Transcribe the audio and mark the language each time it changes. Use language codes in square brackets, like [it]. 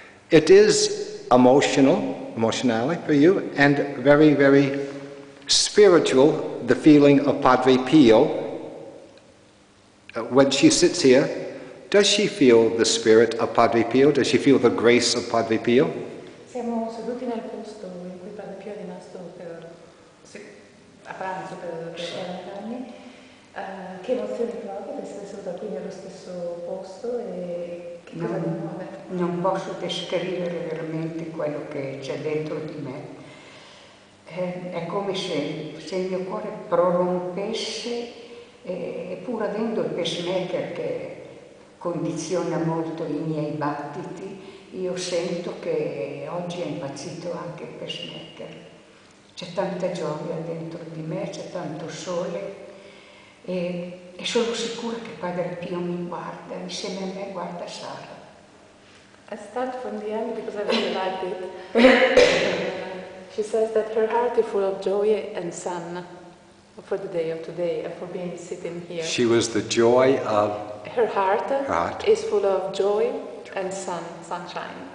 [en] It is emotionally for you, and very, very spiritual, the feeling of Padre Pio. When she sits here, does she feel the spirit of Padre Pio? Does she feel the grace of Padre Pio? [it] Siamo seduti nel posto in cui Padre Pio è rimasto a pranzo per 40 anni. Che emozione proprio di essere seduta qui nello stesso posto e che cosa mi muove? Non posso descrivere veramente quello che c'è dentro di me. È come se il mio cuore prorompesse, e pur avendo il pacemaker che condiziona molto i miei battiti, io sento che oggi è impazzito anche il pacemaker. C'è tanta gioia dentro di me, c'è tanto sole, e sono sicura che Padre Pio mi guarda, insieme a me guarda Sara. [en] I start from the end because I really liked it. She says that her heart is full of joy and sun for the day of today, and for being sitting here. She was the joy of... Her heart is full of joy and sunshine.